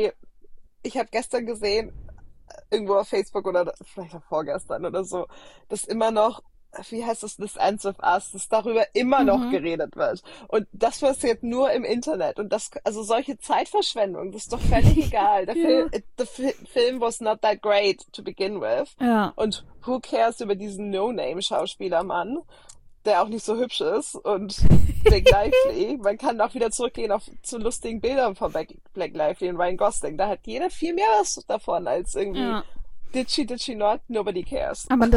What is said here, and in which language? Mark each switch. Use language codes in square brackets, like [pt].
[de] Beispiel, ich habe gestern gesehen, irgendwo auf Facebook oder vielleicht auch vorgestern oder so, dass immer noch, wie heißt das, This Ends With Us, dass darüber immer noch geredet wird. Und das passiert nur im Internet. Und das, also solche Zeitverschwendung, das ist doch völlig egal. Der Film [en] was not that great to begin with. [de] Und [en] who cares [de] über diesen No-Name-Schauspielermann, der auch nicht so hübsch ist und Blake Lively. Man kann auch wieder zurückgehen auf zu lustigen Bildern von Blake Lively und Ryan Gosling. Da hat jeder viel mehr was davon als irgendwie Ja. Ditchy Ditchy Aber das ist die [en] nobody cares.